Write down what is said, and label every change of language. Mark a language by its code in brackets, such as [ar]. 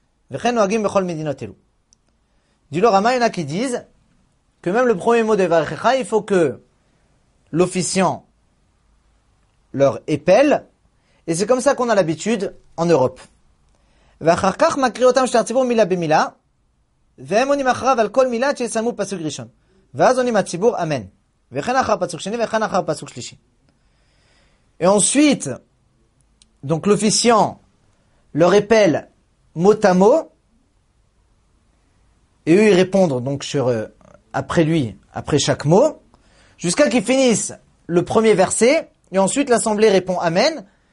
[he] V'chen noagim bechol medinot elu. [fr] Dit le Rama, il y en a qui disent que même le premier mot de Yevarechecha, il faut que l'officiant leur épelle. Et c'est comme ça qu'on a l'habitude en Europe. [he] V'achar kach makri otam ashler tzibur mila bemila. והם עונים אחריו על כל מילה שיסיימו פסוק ראשון. ואז עונים הציבור, אמן. וכן אחר פסוק שני וכן אחר פסוק שלישי. [fr] Et ensuite, donc l'officiant leur répète mot à mot, et eux ils répondent donc sur après lui, après chaque mot, jusqu'à qu'ils finissent le premier verset, et ensuite l'assemblée répond Amen.